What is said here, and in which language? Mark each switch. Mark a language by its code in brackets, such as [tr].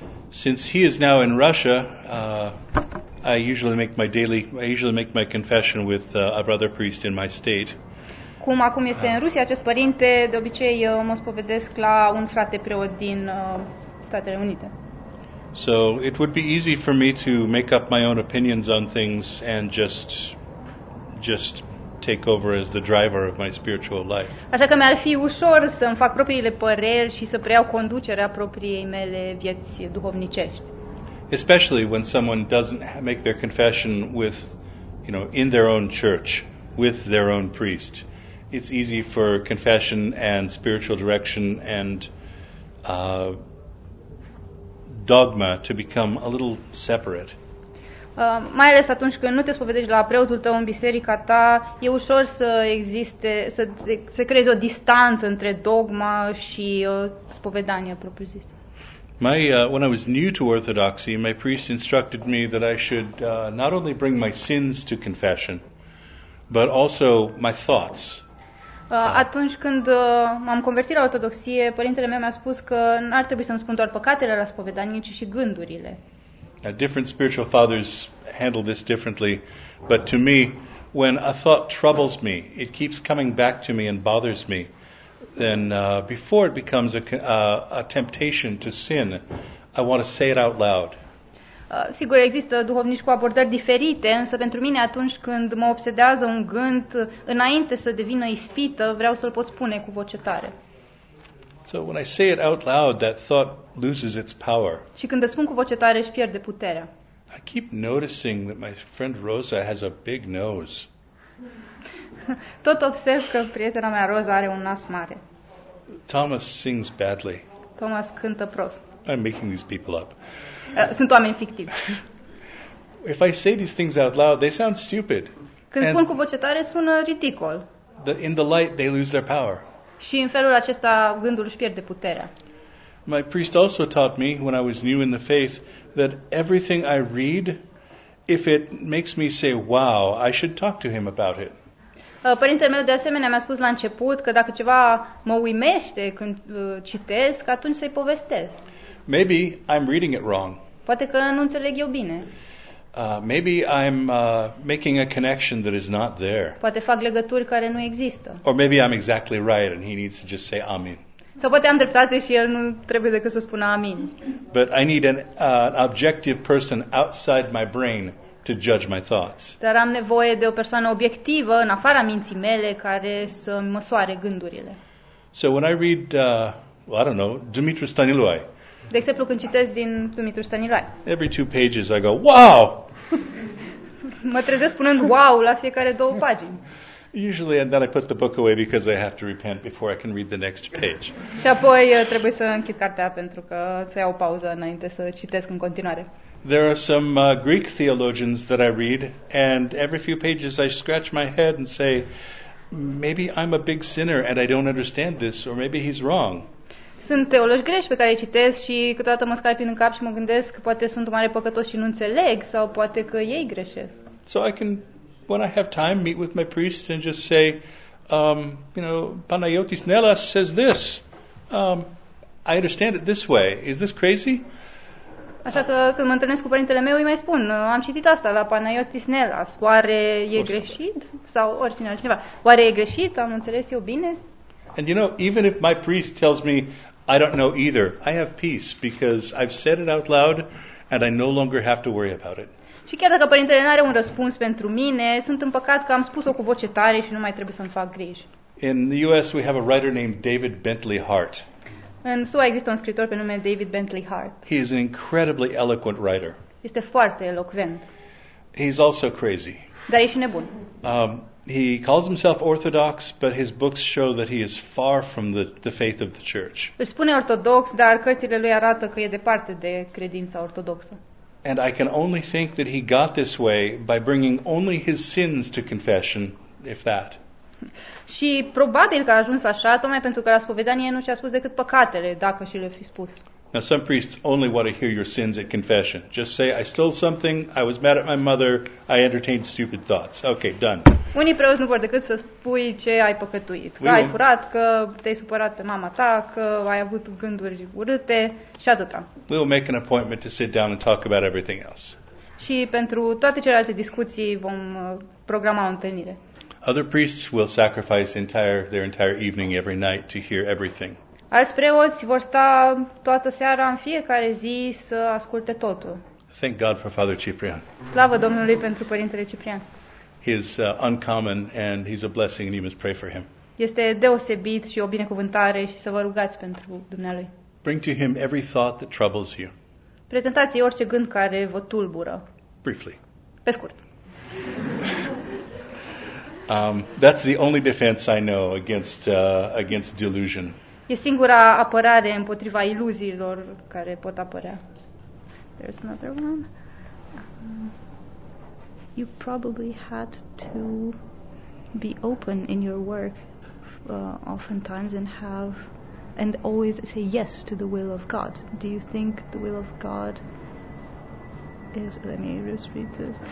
[en] Since he is now in Russia, I usually make my confession with a brother priest in my state. [ro] Cum acum este în Rusia acest părinte, de obicei eu mă spovedesc la un frate preot din Statele Unite. [en] So it would be easy for me to make up my own opinions on things and just take over as the driver of my spiritual life. [ro] Așa că mi-ar fi ușor să îmi fac propriile păreri și să preiau conducerea propriei mele vieți duhovnicești. [en] Especially when someone doesn't make their confession with, you know, in their own church, with their own priest. It's easy for confession and spiritual direction and dogma to become a little separate. [ro] Mai ales atunci când nu te spovedești la preotul tău în biserica ta, e ușor să existe, să creezi o distanță între dogma și spovedania propriu-zis. [en] When I was new to Orthodoxy, my priest instructed me that I should not only bring my sins to confession, but also my thoughts. [ro] Atunci când m-am convertit la Ortodoxie, părintele meu mi-a spus că n-ar trebui să-mi spun doar păcatele la spovedanie, ci și gândurile. [en] Different spiritual fathers handle this differently, but to me, when a thought troubles me, it keeps coming back to me and bothers me, then before it becomes a temptation to sin, I want to say it out loud. [ro] Sigur, există duhovnici cu abordări diferite, însă pentru mine atunci când mă obsedează un gând, înainte să devină ispită, vreau să-l pot spune cu voce tare. [en] So when I say it out loud, that thought loses its power. [ro] Și când îl spun cu voce tare, își pierde puterea. [en] I keep noticing that my friend Rosa has a big nose. [ro] Tot observ că prietena mea Rosa are un nas mare. [en] Thomas sings badly. [ro] Thomas cântă prost. [en] I'm making these people up. [ro] Sunt oameni fictivi. [en] If I say these things out loud, they sound stupid. [ro] Când spun cu voce tare, sună ridicol. [en] In the light, they lose their power. [ro] Și în felul acesta, gândul își pierde puterea. [en] My priest also taught me, when I was new in the faith, that everything I read, if it makes me say, wow, I should talk to him about it. [ro] Părintele meu, de asemenea, mi-a spus la început că dacă ceva mă uimește când citesc, atunci să-i povestesc. [en] Maybe I'm reading it wrong. [ro] Poate că nu înțeleg eu bine. [en] Maybe I'm making a connection that is not there. [ro] Poate fac legături care nu există. [en] Or maybe I'm exactly right and he needs to just say amin. [ro] Sau poate am dreptate și el nu trebuie decât să spună amin. [en] But I need an objective person outside my brain to judge my thoughts. [ro] Dar am nevoie de o persoană obiectivă în afara minții mele care să măsoare gândurile. [en] So when I read, I don't know, Dumitru Staniloae. [ro] De exemplu, când citesc din Dumitru Staniloae. [en] Every two pages I go, wow! [ro] Mă trezesc spunând wow la fiecare două pagini. [en] Usually and then I put the book away because I have to repent before I can read the next page. [ro] Și apoi trebuie să închid cartea pentru că să iau pauză înainte să citesc în continuare. [en] There are some Greek theologians that I read and every few pages I scratch my head and say, maybe I'm a big sinner and I don't understand this or maybe he's wrong. [ro] Sunt teologi greși pe care îi citesc și câteodată mă scalpin în cap și mă gândesc că poate sunt un mare păcătos și nu înțeleg sau poate că ei greșesc. [en] So I can, when I have time, meet with my priest and just say, you know, Panayotis Nelas says this. I understand it this way. Is this crazy? [ro] Așa că când mă întâlnesc cu părintele meu, îi mai spun, am citit asta la Panayotis Nelas. Oare e greșit? Sau oricine altcineva. Oare e greșit? Am înțeles eu bine? [en] And you know, even if my priest tells me I don't know either, I have peace because I've said it out loud and I no longer have to worry about it. [ro] Și chiar dacă părintele nu are un răspuns pentru mine, sunt împăcat că am spus-o cu voce tare și nu mai trebuie să-mi fac griji. [en] In the US we have a writer named David Bentley Hart. [ro] În SUA există un scriitor pe nume David Bentley Hart. [en] He is an incredibly eloquent writer. [ro] Este foarte elocvent. [en] He's also crazy. [ro] Dar e și nebun. [en] He calls himself Orthodox, but his books show that he is far from the faith of the church. [ro] Își spune ortodox, dar cărțile lui arată că e departe de credința ortodoxă. [en] And I can only think that he got this way by bringing only his sins to confession, if that. [ro] Și probabil că a ajuns așa tocmai pentru că la spovedanie nu și-a spus decât păcatele, dacă și le-a fi spus. [en] Now, some priests only want to hear your sins at confession. Just say, I stole something, I was mad at my mother, I entertained stupid thoughts. Okay, done. [ro] Unii preoți nu vor decât să spui ce ai păcătuit. Că ai furat, că te-ai supărat pe mama ta, că ai avut gânduri urâte și atâta. [en] We will make an appointment to sit down and talk about everything else. [ro] Și pentru toate celelalte discuții vom programa o întâlnire. [en] Other priests will sacrifice their entire evening every night to hear everything. [ro] Alți preoți vor sta toată seara în fiecare zi să asculte totul. [en] Thank God for Father Ciprian. [ro] Slavă Domnului pentru Părintele Ciprian. [en] He's uncommon and he's a blessing and you must pray for him. [ro] Este deosebit și o binecuvântare și să vă rugați pentru dumnealui. [en] Bring to him every thought that troubles you. [ro] Prezentați-i orice gând care vă tulbură. [en] Briefly. [ro] Pe scurt. [en] That's the only defense I know against delusion. [ro] E singura apărare împotriva iluziilor care pot apărea. [en] There's another one. You probably had to be open in your work oftentimes and always say yes to the will of God. Do you think the will of God is, let me just read this.